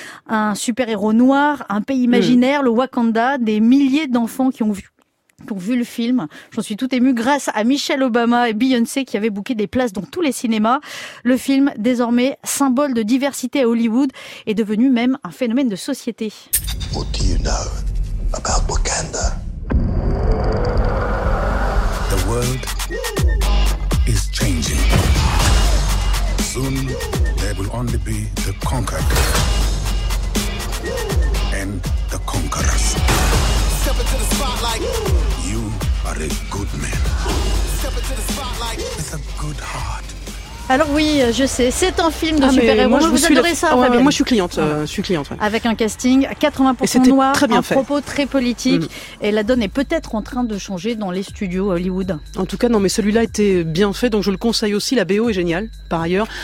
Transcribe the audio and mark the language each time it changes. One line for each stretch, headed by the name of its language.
French: Un super-héros noir, un pays imaginaire, le Wakanda, des milliers d'enfants qui ont vu le film. J'en suis tout émue grâce à Michelle Obama et Beyoncé qui avaient booké des places dans tous les cinémas. Le film, désormais symbole de diversité à Hollywood, est devenu même un phénomène de société.
English: What do you know about Wakanda? The world is changing. Soon there will only be the conquered and the conquerors. Step into the spotlight. You are a good man. Step into the spotlight. With a good heart.
French: Alors oui, je sais, c'est un film de super-héros. Vous adorez ça, Fabienne? Moi, je suis cliente. Ouais. Avec un casting 80% noir, propos très politique. Et la donne est peut-être en train de changer dans les studios Hollywood. En tout cas, non, mais celui-là était bien fait, donc je le conseille aussi. La BO est géniale, par ailleurs.